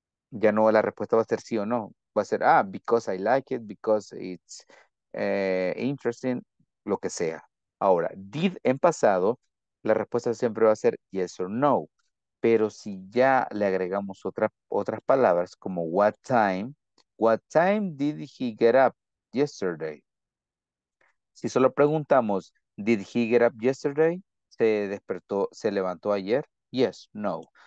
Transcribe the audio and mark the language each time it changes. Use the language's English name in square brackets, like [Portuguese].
[Spanish] Ya no la respuesta va a ser sí o no. Va a ser, ah, [English] because I like it, because it's interesting, [Spanish] lo que sea. Ahora, did en pasado, la respuesta siempre va a ser [English] yes or no. [Spanish] Pero si ya le agregamos otras palabras como [English] what time, what time did he get up yesterday? [Spanish] Si solo preguntamos, [English] did he get up yesterday? [Spanish] ¿Se despertó, se levantó ayer? [English] Yes, no.